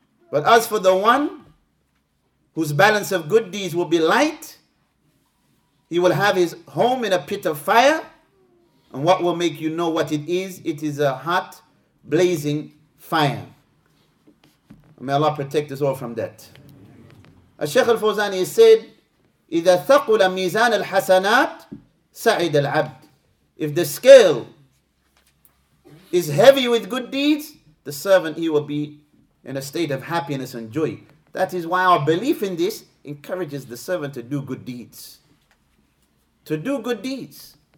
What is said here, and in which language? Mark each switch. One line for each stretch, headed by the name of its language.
English: But as for the one whose balance of good deeds will be light, he will have his home in a pit of fire. And what will make you know what it is? It is a hot, blazing fire. May Allah protect us all from that. As Shaykh al-Fawzani said,
Arabic: إِذَا ثَقُلَ مِيزَانَ الْحَسَنَاتِ سَعِدَ الْعَبْدِ.
English: If the scale is heavy with good deeds, the servant, he will be in a state of happiness and joy. That is why our belief in this encourages the servant to do good deeds. To do good deeds.